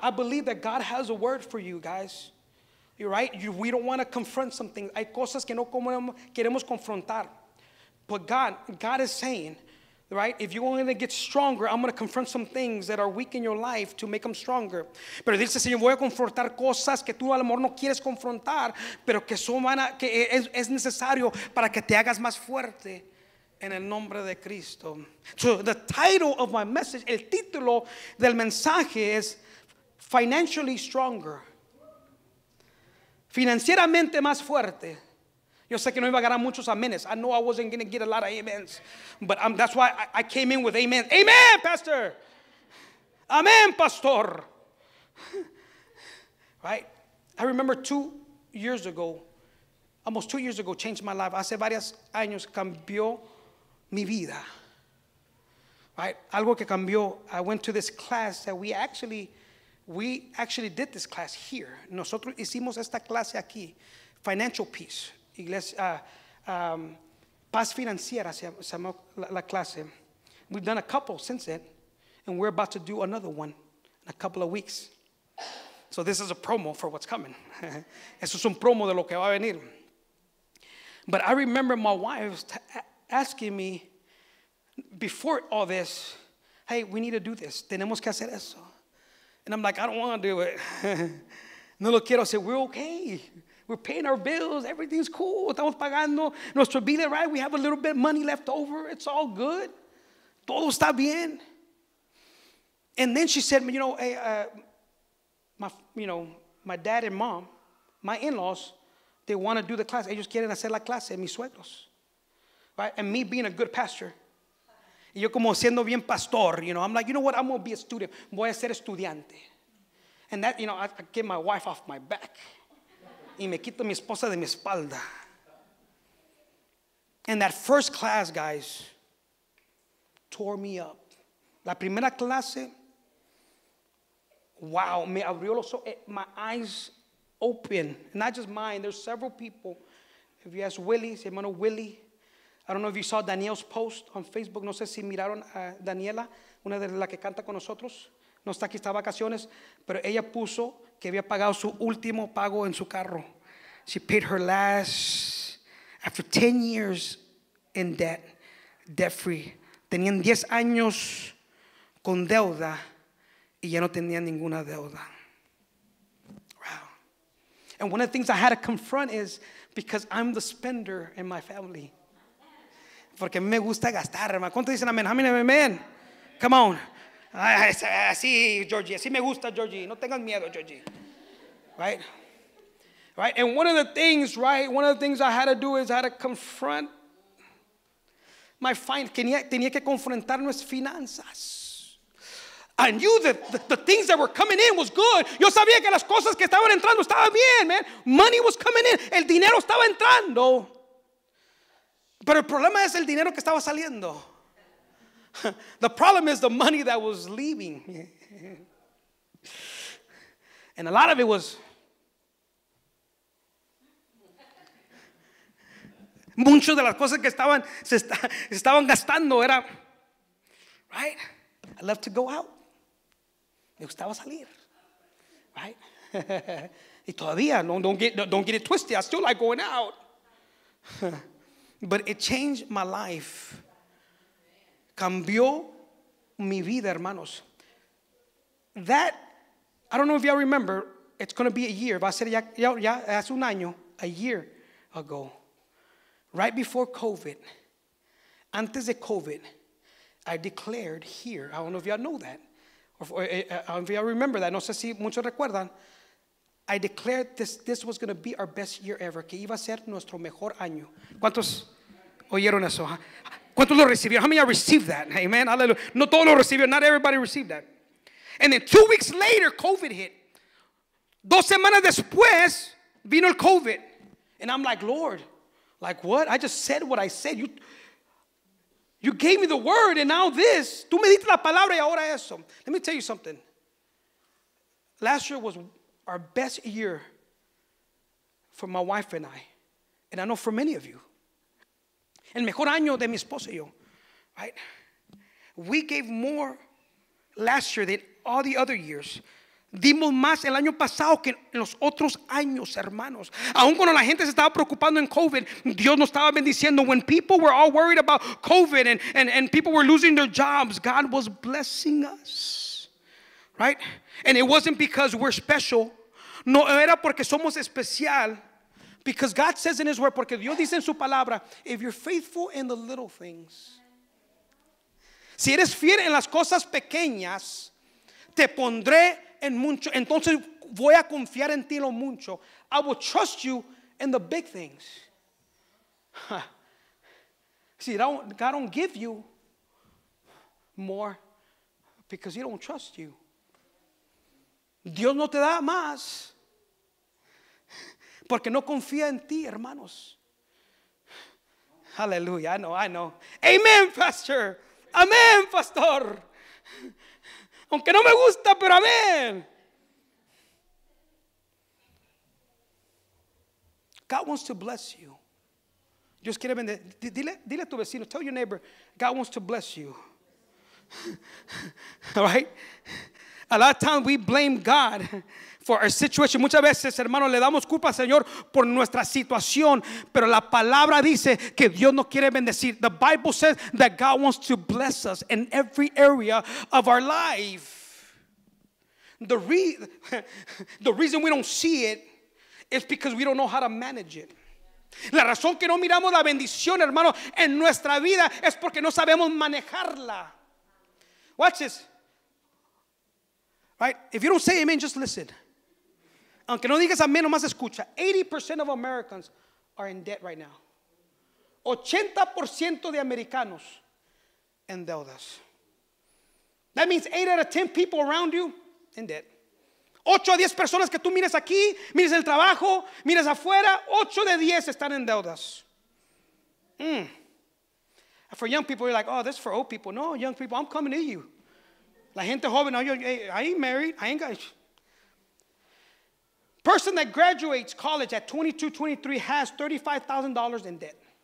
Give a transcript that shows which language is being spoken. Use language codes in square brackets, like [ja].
[en] I believe that God has a word for you, guys. You're right. We don't want to confront something. [es] Hay cosas que no queremos confrontar. [en] But God is saying, right, if you're going to get stronger, I'm going to confront some things that are weak in your life to make them stronger. [es] Pero dice, Señor, voy a confrontar cosas que tú a lo mejor no quieres confrontar, pero que son que es necesario para que te hagas más fuerte en el nombre de Cristo. [en] So the title of my message, [es] el título del mensaje es [en] Financially Stronger. [es] Financieramente más fuerte. Yo sé que no iba a ganar muchos amenes. [en] I know I wasn't going to get a lot of amens. But that's why I came in with amen. Amen, Pastor. Amen, Pastor. Right? I remember 2 years ago, almost 2 years ago, changed my life. [es] Hace varios años cambió mi vida. Right? Algo que cambió. [en] I went to this class that we actually did this class here. [es] Nosotros hicimos esta clase aquí. Financial Peace. Paz Financiera se llamó la clase. [en] We've done a couple since then, and we're about to do another one in a couple of weeks. So this is a promo for what's coming. [es] Eso es un promo de lo que va a venir. [en] But I remember my wife asking me before all this, hey, we need to do this. [es] Tenemos que hacer eso. [en] And I'm like, I don't want to do it. [es] No lo quiero. [en] I said, we're okay. We're paying our bills. Everything's cool. [es] Estamos pagando nuestro bill, [en] right? We have a little bit of money left over. It's all good. [es] Todo está bien. [en] And then she said, you know, my dad and mom, my in-laws, they want to do the class. [es] Ellos quieren hacer la clase, mis suegros. [en] Right? And me being a good pastor. [es] Y yo como siendo bien pastor, [en] you know. I'm like, you know what? I'm going to be a student. [es] Voy a ser estudiante. [en] And that, you know, I get my wife off my back. [es] Y me quito mi esposa de mi espalda. [en] And that first class, guys, tore me up. [es] La primera clase, wow, me abrió los ojos. [en] My eyes open. Not just mine, there's several people. If you ask Willie, hermano Willie. I don't know if you saw Daniel's post on Facebook. [es] No sé si miraron a Daniela, una de las que canta con nosotros. No está aquí, está a vacaciones. Pero ella puso que había pagado su último pago en su carro. [en] She paid her last, after 10 years in debt, debt-free. [es] Tenían 10 años con deuda y ya no tenían ninguna deuda. [en] Wow. And one of the things I had to confront is because I'm the spender in my family. [es] Porque me gusta gastar. ¿Cuánto dicen amén? [en] How many amen? Come on. [es] Así, Georgie. Así me gusta, Georgie. No tengas miedo, Georgie. Right? [en] Right, and one of the things, right, one of the things I had to do is I had to confront my finances. [es] Tenía que confrontar mis finanzas. [en] I knew that the things that were coming in was good. [es] Yo sabía que las cosas que estaban entrando estaban bien, man. [en] Money was coming in. [es] El dinero estaba entrando. Pero el problema es el dinero que estaba saliendo. [en] The problem is the money that was leaving. And a lot of it was... [es] Muchas de las cosas que estaban gastando era, right? [en] I love to go out. [es] Me gustaba salir. [en] Right? [es] Y todavía, [en] don't get it twisted. I still like going out. But it changed my life. [es] Cambió mi vida, hermanos. [en] That, I don't know if y'all remember, it's going to be a year. [es] Va a ser ya hace un año, [en] a year ago. Right before COVID, [es] antes de COVID, [en] I declared here, I don't know if y'all know that, or if y'all remember that, [es] no sé si muchos recuerdan, [en] I declared this was going to be our best year ever, [es] que iba a ser nuestro mejor año. ¿Cuántos oyeron eso? [en] Huh? [es] ¿Cuántos lo recibieron? [en] How many y'all received that? Amen, hallelujah. [es] No todos lo recibieron, [en] not everybody received that. And then 2 weeks later, COVID hit. [es] 2 semanas después, vino el COVID. [en] And I'm like, Lord, like what? I just said what I said. You gave me the word and now this. [es] Tú me diste la palabra y ahora eso. [en] Let me tell you something. Last year was our best year for my wife and I. And I know for many of you. [es] El mejor año de mi esposa y yo. [en] Right? We gave more last year than all the other years. [es] Dimos más el año pasado que en los otros años, hermanos. Aun cuando la gente se estaba preocupando en COVID, Dios nos estaba bendiciendo. [en] When people were all worried about COVID and people were losing their jobs, God was blessing us. Right? And it wasn't because we're special. [es] No era porque somos especial. [en] Because God says in his word, [es] porque Dios dice en su palabra, [en] if you're faithful in the little things, [es] si eres fiel en las cosas pequeñas, te pondré en mucho. Entonces voy a confiar en ti lo mucho. [en] I will trust you in the big things. See, God don't give you more because he don't trust you. [es] Dios no te da más porque no confía en ti, hermanos. [en] Hallelujah, I know. Amen, Pastor. [es] Amén, pastor. Aunque no me gusta, pero amén. [en] God wants to bless you. [es] Dios quiere bendecir. Dile a tu vecino, [en] tell your neighbor, God wants to bless you. All right? A lot of times we blame God for our situation. [es] Muchas veces, hermano, le damos culpa al Señor por nuestra situación. Pero la palabra dice que Dios no quiere bendecir. [en] The Bible says that God wants to bless us in every area of our life. The reason we don't see it is because we don't know how to manage it. [es] La razón que no miramos la bendición, hermano, en nuestra vida es porque no sabemos manejarla. [en] Watch this. Right? If you don't say amen, just listen. [es] Aunque no digas amén, nomás escucha. [en] 80% of Americans are in debt right now. [es] 80% de americanos en deudas. [en] That means 8 out of 10 people around you in debt. [es] 8 a 10 personas que tú mires aquí, mires el trabajo, mires afuera, 8 de 10 están en deudas. [en] For young people, you're like, oh, this is for old people. No, young people, I'm coming to you. [es] La gente joven, no, [en] I ain't married, I ain't got. Person that graduates college at 22, 23 has $35,000 in debt.